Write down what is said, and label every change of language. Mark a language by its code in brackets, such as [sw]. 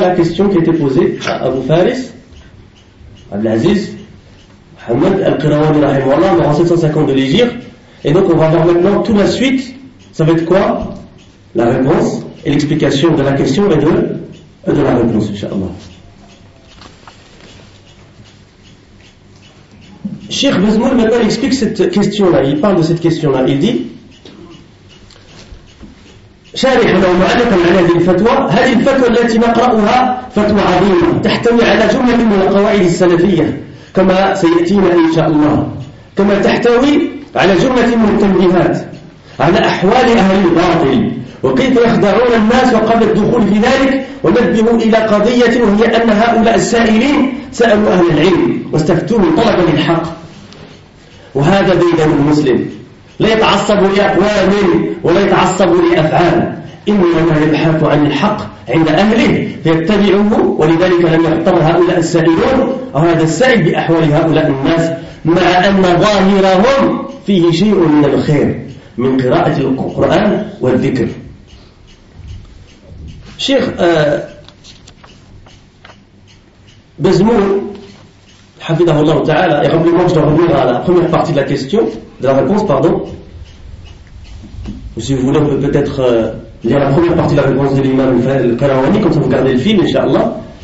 [fr] La question qui a été posée à Abou Faris, à Abdelaziz, Mohamed Al-Qirawani Rahimallah, mort en 750 de l'Égypte. Et donc on va voir maintenant tout la suite, ça va être quoi ? La réponse et l'explication de la question et de la réponse, inchallah. Cheikh Bezmoul maintenant explique cette question-là, il parle de cette question-là, il dit [ar] شارح لو معلق على هذه الفتوى هذه الفتوى التي نقرأها فتوى عظيمة تحتوي على جملة من القواعد السلفية كما سيأتينا إن شاء الله كما تحتوي على جملة من التنبيهات على أحوال أهل الباطل وكيف يخدعون الناس وقبل الدخول في ذلك ونبهوا إلى قضية وهي أن هؤلاء السائلين سألوا أهل العلم واستفتوهم طلبا للحق وهذا ديدن المسلم لا يتعصب لأقوال ولا يتعصب لأفعال إنما يبحث عن الحق عند أهله فيتبعه ولذلك لم يغتر هؤلاء السائلون أو هذا السائل بأحوال هؤلاء الناس مع أن ظاهرهم فيه شيء من الخير من قراءة القرآن والذكر. شيخ بزمون حفظه الله تعالى [fr] et rappelez-moi que je dois revenir à la première partie de la question de la réponse pardon ou si vous voulez on peut peut-être lire la première partie de la réponse de l'imam Al-Qarawani comme ça vous gardez le fil inshallah.